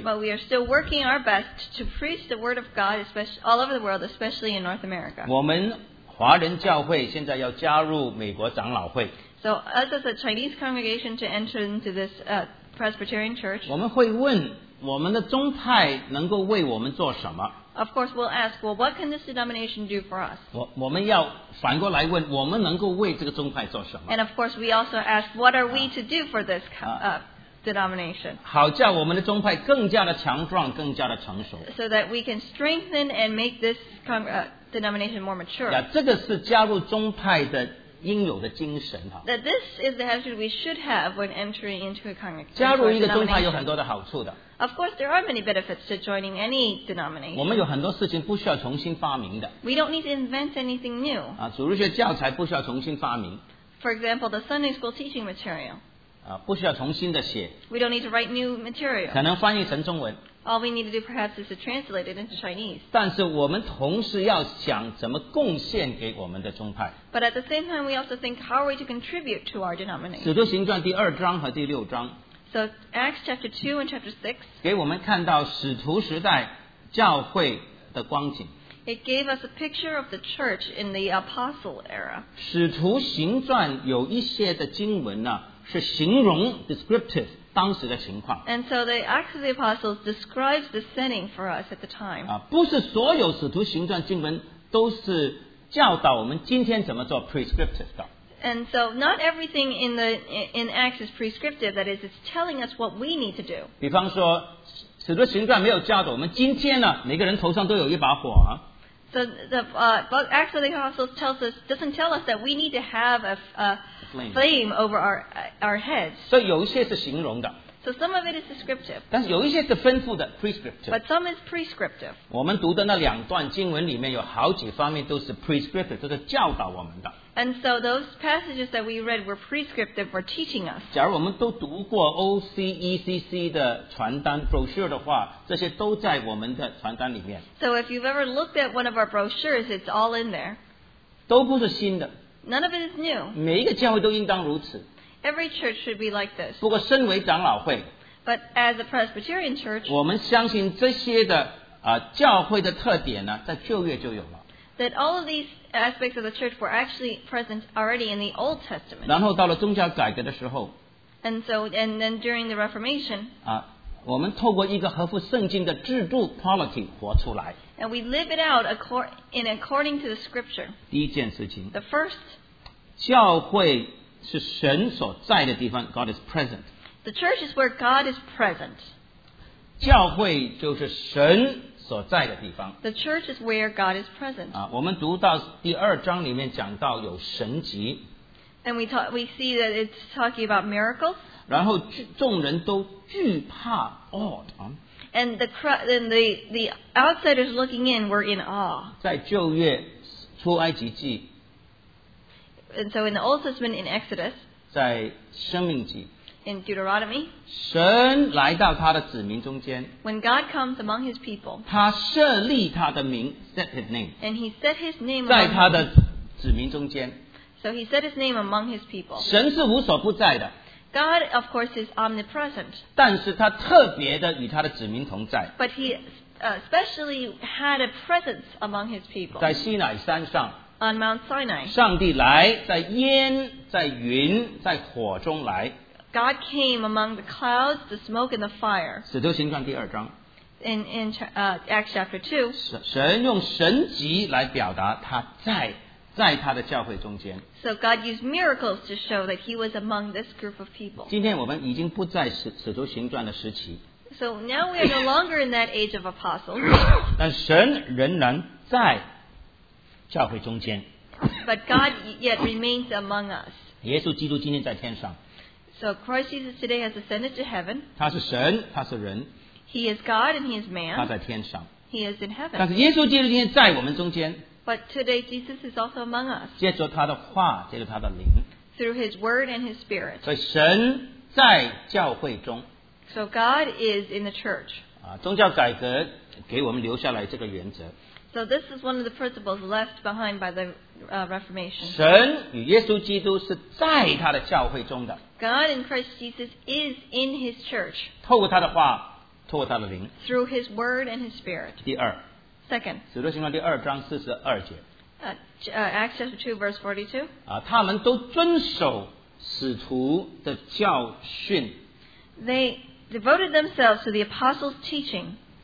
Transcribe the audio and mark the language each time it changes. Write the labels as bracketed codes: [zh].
[en] But we are still working our best to preach the word of God, especially all over the world, especially in North America. [zh] 我们华人教会现在要加入美国长老会。 [en] So us as a Chinese congregation to enter into this Presbyterian church. [zh] 我们会问我们的宗派能够为我们做什么。 [en] Of course, we'll ask, well, what can this denomination do for us? [zh] 我们要反过来问，我们能够为这个宗派做什么？ [en] And of course, we also ask, what are we to do for this denomination? [zh] 好叫我们的宗派更加的强壮，更加的成熟。 [en] So that we can strengthen and make this denomination more mature. [zh] 这个是加入宗派的应有的精神。 [en] That this is the attitude we should have when entering into a congregation. [zh] 加入一个宗派有很多的好处的。 [en] Of course, there are many benefits to joining any denomination. [zh] 我们有很多事情不需要重新发明的。 [en] We don't need to invent anything new. [zh] 啊，主日学教材不需要重新发明。 [en] For example, the Sunday school teaching material. [zh] 啊，不需要重新的写。 [en] We don't need to write new material. [zh] 可能翻译成中文。 [en] All we need to do perhaps is to translate it into Chinese. [zh] 但是我们同时要想怎么贡献给我们的宗派。 [en] But at the same time, we also think how are we to contribute to our denomination. [zh] 使徒行传第二章和第六章。 [en] So Acts chapter 2 and chapter 6 [zh] 给我们看到使徒时代教会的光景。 [en] It gave us a picture of the church in the apostle era. [zh] 使徒行传有一些的经文呢是形容 descriptive 当时的情况。 [en] And so the Acts of the Apostles describes the setting for us at the time. [zh] 不是所有使徒行传经文都是教导我们今天怎么做 prescriptive 的。 [en] And so not everything in Acts is prescriptive, that is, it's telling us what we need to do. [zh] 比方说，使徒行传没有教导我们今天呢，每个人头上都有一把火啊。 [en] So the book Acts of the Apostles doesn't tell us that we need to have a flame over our heads. [zh] 所以有一些是形容的。 [en] So some of it is descriptive. [zh] 但是有一些是吩咐的 prescriptive. [en] But some is prescriptive. [zh] 我们读的那两段经文里面有好几方面都是 prescriptive, 就是教导我们的。 [en] And so those passages that we read were prescriptive for teaching us. [zh] 假如我们都读过 OCECC 的传单 brochure 的话，这些都在我们的传单里面。 [en] So if you've ever looked at one of our brochures, it's all in there. [zh] 都不是新的。 [en] None of it is new. [zh] 每一个教会都应当如此。 [en] Every church should be like this. [zh] 不过身为长老会， [en] But as a Presbyterian church, [zh] 我们相信这些的教会的特点呢，在旧约就有了。 [en] That all of these aspects of the church were actually present already in the Old Testament. [zh] 然后到了宗教改革的时候， [en] And so, and then during the Reformation, [zh] 我们透过一个合乎圣经的制度 polity 活出来。 [en] And we live it out according to the Scripture. [zh] 第一件事情， [en] The first, [zh] 教会是神所在的地方 [en] God is present. The church is where God is present. [zh] 教会就是神所在的地方。 [en] The church is where God is present. [zh] 我们读到第二章里面讲到有神迹。 [en] And we see that it's talking about miracles. [zh] 然后众人都惧怕 awed. [en] And the outsiders looking in were in awe. [zh] 在旧约出埃及记。 [en] And so in the Old Testament in Exodus, [zh] 在生命记, [en] in Deuteronomy, [zh] 神来到他的子民中间, [en] when God comes among his people, [zh] 他设立他的名, [en] set his name, and he set his name [zh] 在他的子民中间, [en] so he set his name among his people. [zh] 神是无所不在的, [en] God, of course, is omnipresent, [zh] 但是他特别的与他的子民同在, [en] but he especially had a presence among his people. [zh] 在西乃山上, [en] on Mount Sinai. [zh] 上帝来在烟在云在火中来。 [en] God came among the clouds, the smoke, and the fire. [zh] 使徒行传第二章。 [en] Acts chapter 2. [zh] 神用神迹来表达他在他的教会中间。 [en] So God used miracles to show that he was among this group of people. [zh] 今天我们已经不在使徒行传的时期。 [en] So now we are no longer in that age of apostles. [zh] 但神仍然在教会中间。 [en] But God yet remains among us. [zh] 耶稣基督今天在天上。 [en] So Christ Jesus today has ascended to heaven. [zh] 他是神，他是人。 [en] He is God and he is man. [zh] 他在天上。 [en] He is in heaven. [zh] 但是耶稣基督今天在我们中间。 [en] But today Jesus is also among us. [zh] 借着他的话，借着他的灵。 [en] Through his word and his spirit. [zh] 所以神在教会中。 [en] So God is in the church. [zh] 宗教改革给我们留下来这个原则。 [en] So this is one of the principles left behind by the Reformation. [zh] 神与耶稣基督是在他的教会中的。 [en] God and Christ Jesus is in his church. [zh] 透过他的话，透过他的灵。 [en] Through his word and his spirit. [zh] 第二。 [en] Second. [zh] 使徒行传第二章四十二节。 [en] Acts chapter 2 verse 42. [zh] 他们都遵守使徒的教训。 [en] They devoted themselves to the apostles' teaching.